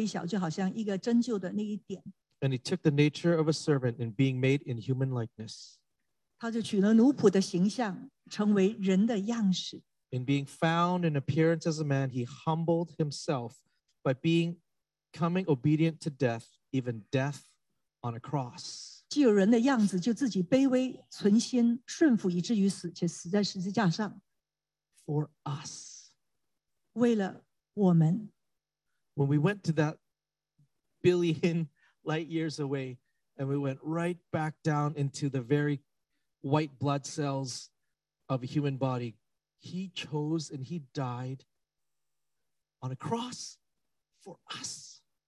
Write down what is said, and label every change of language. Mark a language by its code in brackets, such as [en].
[zh] 把自己成为非常非常微小，就好像一个针灸的那一点。 [en] And he took the nature of a servant in being made in human likeness. [zh] 他就取了奴仆的形象，成为人的样式。 [en] In being found in appearance as a man, he humbled himself by becoming obedient to death, even death on a cross. [zh] 既有人的样子，就自己卑微存心，顺服以至于死，且死在十字架上。 [en] For us. [zh] 为了我们。 [en] When we went to that billion light years away, and we went right back down into the very white blood cells of a human body, he chose and he died on a cross for us.